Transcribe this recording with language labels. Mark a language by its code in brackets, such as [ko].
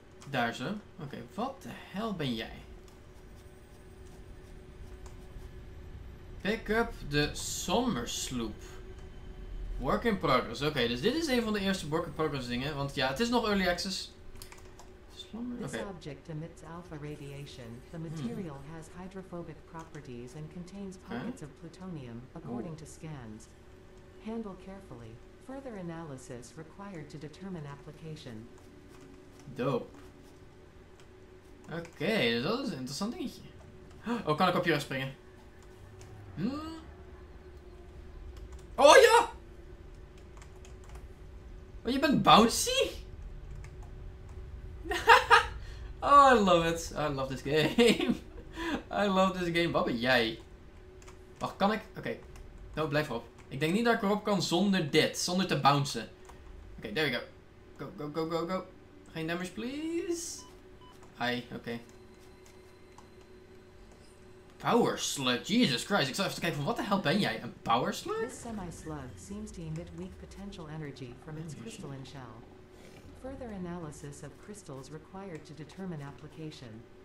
[nl] Daar zo. Oké, wat de hel ben jij? [en] Pick up the Sommersloop. Work in progress. [nl] Oké, dus dit is een van de eerste work in progress dingen. Want ja, het is nog early access. [en] This object emits alpha radiation. The material has hydrophobic properties and contains pockets of plutonium, according to scans. Handle carefully. Further analysis required to determine application. Dope. [nl] Oké, dus dat is een interessant dingetje. Oh, kan ik op je rug springen? Hmm. Oh ja! Oh, je bent bouncy? [en] Oh, I love it. I love this game. I love this game. [nl] Wat ben jij? Wacht, kan ik? Oké. Nou, blijf erop. Ik denk niet dat ik erop kan zonder dit. Zonder te bouncen. Oké, [en] there we go. Go. [nl] Geen damage, please. Hi, oké. [en] Power slug, Jesus Christ. [nl] Ik zal even kijken van wat de hel ben jij? Een power slug? [en] This semi-slug seems to emit weak potential energy from its crystalline shell. Further analysis of crystals required to determine application.